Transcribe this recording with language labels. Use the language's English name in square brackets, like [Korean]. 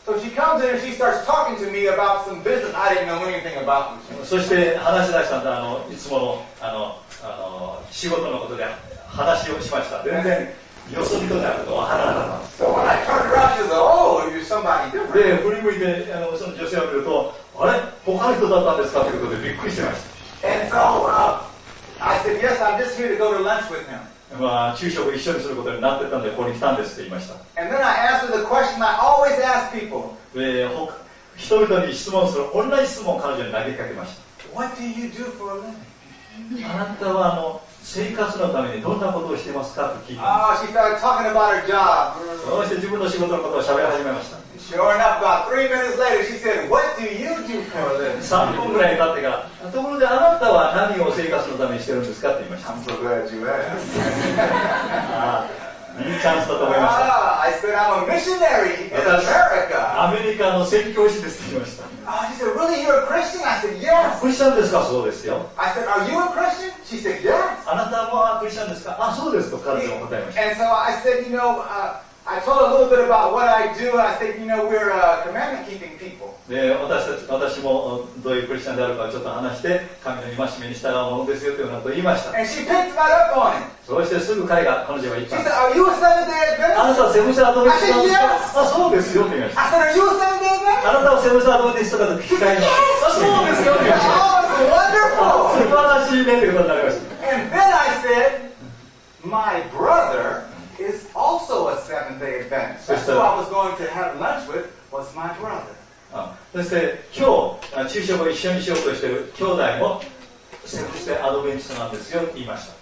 [English] So she comes in and she starts talking to me about some business. I didn't know anything about it. [Japanese] そして話し出したんだ。いつもの仕事のことで話をしました。全然よそ人であることは分からなかった。 [English] So when I turned around, she said, "Oh, you're somebody different." [Japanese] で、振り向いてその女性を見ると、あれ、他の人だったんですかということでびっくりしてました。 [English] And so, I said, "Yes, I'm just here to go to lunch with him." [Japanese] まあ、昼食を一緒にすることになってたんで、ここに来たんですって言いました。 [English] And then I asked her the question I always ask people. [Japanese] 人々に質問する、同じ質問を彼女に投げかけました。 [English] What do you do for a living? [Japanese] あなたは生活のためにどんなことをしてますかと聞いて。 [English] Oh, she started talking about her job. [Japanese] そして自分の仕事のことを喋り始めました。 [English] Sure enough, about three minutes later, she said, What do you do for a living? [Japanese] 3分ぐらい経ってから、ところであなたは何を生活のためにしてるんですかって言いました。 [English] I'm so glad you asked. [Japanese] いいチャンスだと思いました。 [English] I said, I'm a missionary in America. [Japanese] アメリカの宣教師ですって言いました。 [English] She said, Really, you're a Christian? I said, Yes. [Japanese] クリスチャンですか？そうですよ。 [English] I said, Are you a Christian? She said, Yes. [Japanese] あなたもクリスチャンですか？あ、そうですと彼女も答えました。 [English] And so I said, You know,I told a little bit about what I do. I said, you know, we're commandment-keeping people. [Japanese] 私もどういうクリスチャンであるかちょっと話して、神の戒めに従うものですよというのと言いました。 [English] And she picked right up on it. [Japanese] そしてすぐ彼が、彼女は言った。 [English] She said, Are you a Seventh-day Adventist? [Japanese] あなたはセブンスターアドベンチストあ、そうですよと言いました。 [English] I said, Are you a Seventh-day Adventist? [Japanese] あなたはセブンスターアドベンチストかと聞き換えました。 [English] Yes! [Japanese] そうですよと言いました。 [English] Oh, that's wonderful! [Japanese] 素晴らしいねということになりました。 [English] And then I said, my brother,is also a seven-day event. That's who I was going to have lunch with was my brother. [Japanese] そして今日昼食を一緒にしようとしている兄弟もセブンスデーアドベンチストなんですよ言いました。